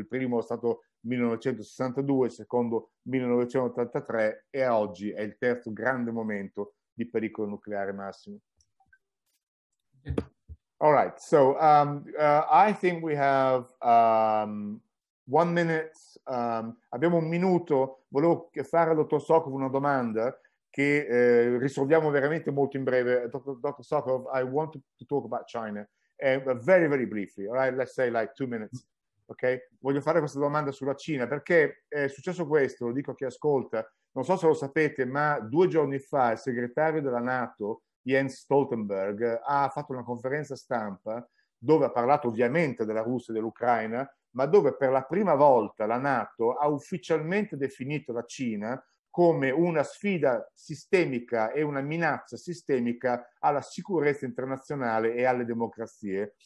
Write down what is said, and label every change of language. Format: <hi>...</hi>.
<it>Il primo è stato 1962, il secondo 1983, e oggi è il terzo grande momento di pericolo nucleare massimo.</it> <en>All right, so I think we have 1 minute.</en> <it>Abbiamo un minuto. Volevo fare al dottor Sokov una domanda che risolviamo veramente molto in breve. Dr.</it> <en>Sokov, I want to talk about China very, very briefly, all right? Let's say like 2 minutes, ok?</en> <it>Voglio fare questa domanda sulla Cina, perché è successo questo, lo dico a chi ascolta, non so se lo sapete, ma 2 giorni fa il segretario della NATO, Jens Stoltenberg, ha fatto una conferenza stampa dove ha parlato ovviamente della Russia e dell'Ucraina, ma dove per la prima volta la NATO ha ufficialmente definito la Cina come una sfida sistemica e una minaccia sistemica alla sicurezza internazionale e alle democrazie.</it>